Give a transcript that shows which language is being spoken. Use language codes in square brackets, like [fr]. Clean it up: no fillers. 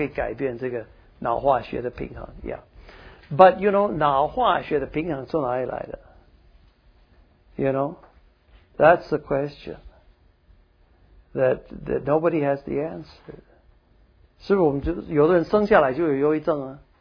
[zh] 所以现在为什么就发现这些抗忧郁症的药物是真的是蛮有帮助，因为它可以改变这个脑化学的平衡. [en] Yeah. But you know, [zh] 脑化学的平衡从哪里来的? [en] You know, that's the question that nobody has the answer. [zh] 是不是我们就有的人生下来就有忧郁症啊?